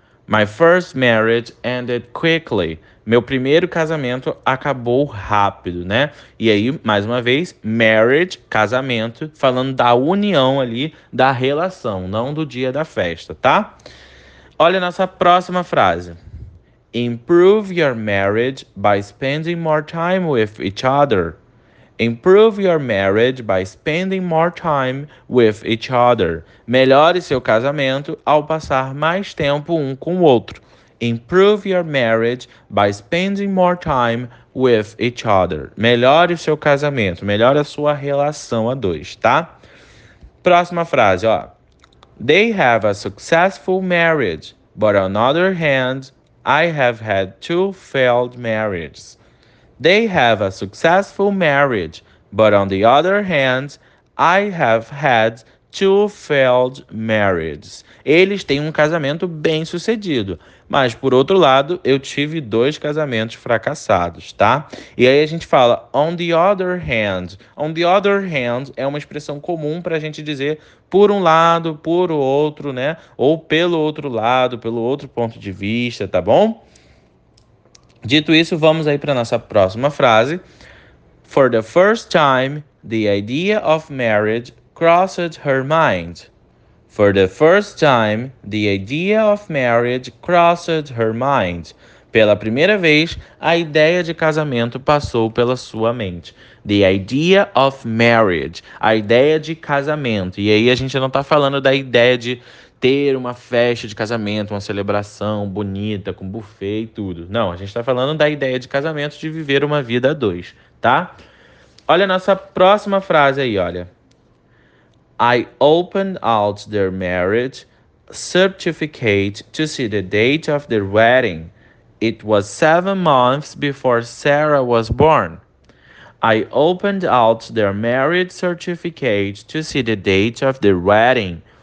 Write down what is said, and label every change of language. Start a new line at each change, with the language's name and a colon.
English: My first marriage ended quickly.
Portuguese: Meu primeiro casamento acabou rápido, né? E aí, mais uma vez, marriage, casamento, falando da união ali, da relação, não do dia da festa, tá? Olha a nossa próxima frase.
English: Improve your marriage by spending more time with each other. Improve your marriage by spending more time with each other.
Portuguese: Melhore seu casamento ao passar mais tempo um com o outro.
English: Improve your marriage by spending more time with each other.
Portuguese: Melhore seu casamento, melhore a sua relação a dois, tá? Próxima frase, ó.
English: They have a successful marriage, but on the other hand, I have had two failed marriages. They have a successful marriage, but on the other hand, I have had two failed marriages.
Portuguese: Eles têm um casamento bem sucedido, mas por outro lado, eu tive dois casamentos fracassados, tá? E aí a gente fala,
English: on the other hand
Portuguese: é uma expressão comum para a gente dizer por um lado, por outro, né? Ou pelo outro lado, pelo outro ponto de vista, tá bom? Dito isso, vamos aí para a nossa próxima frase.
English: For the first time, the idea of marriage crossed her mind. For the first time, the idea of marriage crossed her mind.
Portuguese: Pela primeira vez, a ideia de casamento passou pela sua mente.
English: The idea of marriage,
Portuguese: a ideia de casamento. E aí a gente não está falando da ideia de ter uma festa de casamento, uma celebração bonita, com buffet e tudo. Não, a gente está falando da ideia de casamento, de viver uma vida a dois, tá? Olha a nossa próxima frase aí, olha.
English: I opened out their marriage certificate to see the date of their wedding. It was 7 months before Sarah was born. I opened out their marriage certificate to see the date of their wedding.